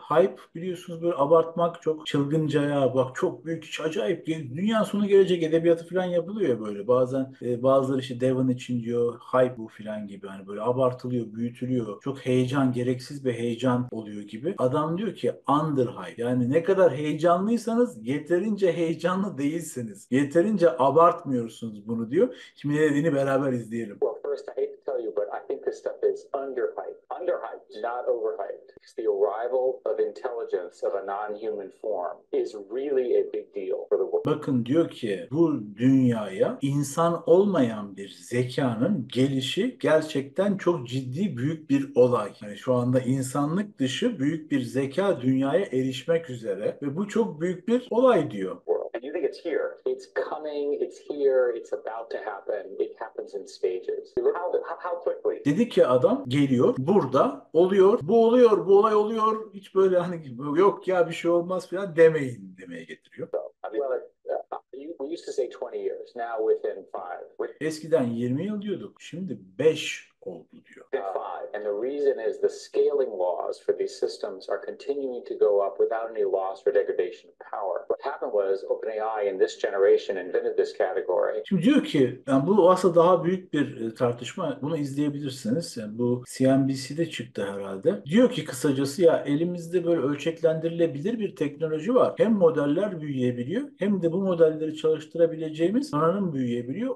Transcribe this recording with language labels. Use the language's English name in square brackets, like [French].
[Turkish] Hype biliyorsunuz böyle abartmak çok çılgınca ya bak çok büyük iş acayip dünya sonu gelecek edebiyatı falan yapılıyor ya böyle bazen bazıları işte Devon için diyor hype bu falan gibi hani böyle abartılıyor büyütülüyor çok heyecan gereksiz bir heyecan oluyor gibi. Adam diyor ki under hype yani ne kadar heyecanlıysanız yeterince heyecanlı değilsiniz. Yeterince abartmıyorsunuz bunu diyor. Şimdi ne dediğini beraber izleyelim. [English] First, I hate to tell you, but I think this this stuff is underhyped. Underhyped, not overhyped. Because the arrival of intelligence of a non-human form is really a big deal for the world. [Turkish] Bakın diyor ki bu dünyaya insan olmayan bir zekanın gelişi gerçekten çok ciddi büyük bir olay. Yani şu anda insanlık dışı büyük bir zeka dünyaya erişmek üzere ve bu çok büyük bir olay diyor. [English] It's here. It's coming. It's here. It's about to happen. It happens in stages. How quickly? [Turkish] Dedi ki adam geliyor, burada oluyor, bu oluyor, bu olay oluyor. Hiç böyle hani yok ya bir şey olmaz falan demeyin demeye getiriyor. [English] We used to say 20 years. Now within 5. [Turkish] Eskiden 20 yıl diyorduk. Şimdi 5 oldu diyor. [English] And the reason is the scaling laws for these systems are continuing to go up without any loss or degradation of power. What happened was OpenAI in this generation invented this category. [Turkish] Şimdi diyor ki yani bu aslında daha büyük bir tartışma. Bunu izleyebilirsiniz. Yani bu CNBC'de çıktı herhalde. Diyor ki kısacası ya elimizde böyle ölçeklendirilebilir bir teknoloji var. Hem modeller büyüyebiliyor hem de bu modelleri çalıştırabileceğimiz donanım büyüyebiliyor.